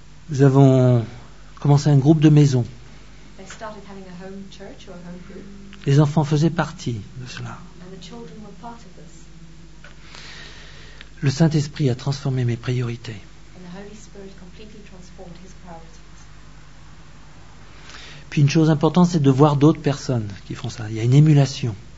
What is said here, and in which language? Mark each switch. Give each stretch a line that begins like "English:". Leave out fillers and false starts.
French: Nous avons commencé un groupe de maison.
English: They started having a home church or a home group.
French: Les enfants faisaient partie de cela.
English: And the children were part of this.
French: Le Saint-Esprit a transformé mes priorités.
English: And the Holy Spirit completely transformed his priorities.
French: Puis une chose importante, c'est de voir d'autres personnes qui font ça. Il y a une émulation.